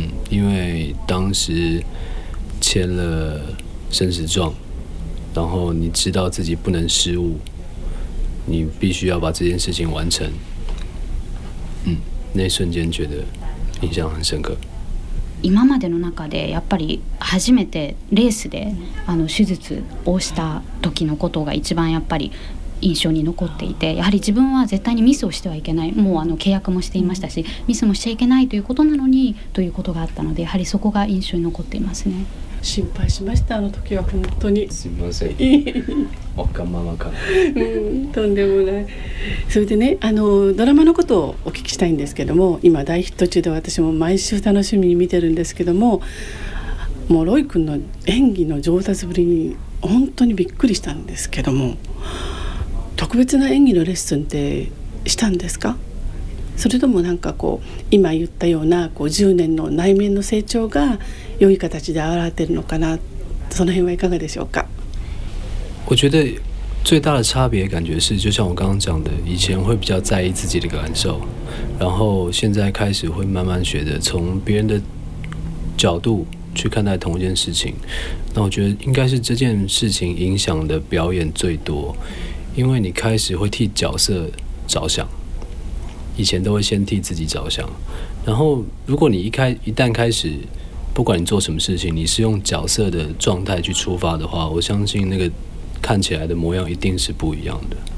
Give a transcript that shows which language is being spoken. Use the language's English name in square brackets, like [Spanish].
[Chinese] 因为当时签了生死状，然后你知道自己不能失误，你必须要把这件事情完成。那瞬间觉得印象很深刻。 [Japanese] 今までの中でやっぱり初めてレースで手術をした時のことが一番やっぱり印象に残っていて、やはり自分は絶対にミスをしてはいけない、もう契約もしていましたし、ミスもしちゃいけないということなのにということがあったので、やはりそこが印象に残っていますね。心配しました、あの時は。本当にすみません、わかんままから、とんでもない。それでね、ドラマのことをお聞きしたいんですけども、今大ヒット中で私も毎週楽しみに見てるんですけども、もうロイ君の演技の上達ぶりに本当にびっくりしたんですけども、特別な演技のレッスンってしたんですか？それともなんかこう今言ったようなこう10年の内面の成長が良い形で現れてるのかな、その辺はいかがでしょうか？ [Chinese] 我觉得最大的差别感觉是，就像我刚刚讲的，以前会比较在意自己的感受，然后现在开始会慢慢学着从别人的角度去看待同一件事情。那我觉得应该是这件事情影响的表演最多，因为你开始会替角色着想，以前都会先替自己着想，然后如果你一旦开始，不管你做什么事情，你是用角色的状态去出发的话，我相信那个看起来的模样一定是不一样的。